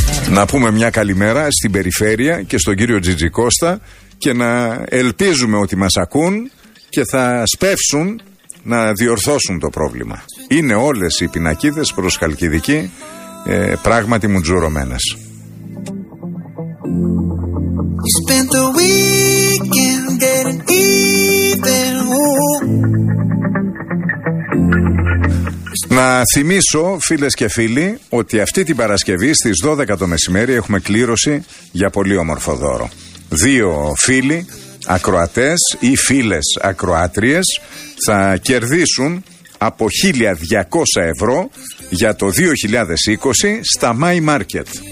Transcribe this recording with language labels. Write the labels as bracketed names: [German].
[Greek] Να πούμε μια καλημέρα στην περιφέρεια και στον κύριο Τζιτζι Κώστα και να ελπίζουμε ότι μας ακούν και θα σπεύσουν να διορθώσουν το πρόβλημα. Είναι όλες οι πινακίδες προς Χαλκιδική πράγματι μουτζουρωμένες. [English] You spent the weekend getting even. [Greek] Να θυμίσω φίλες και φίλοι ότι αυτή την Παρασκευή στις 12 το μεσημέρι έχουμε κλήρωση για πολύ όμορφο δώρο. 2 φίλοι ακροατές ή φίλες ακροάτριες θα κερδίσουν από 1.200 ευρώ για το 2020 στα My Market.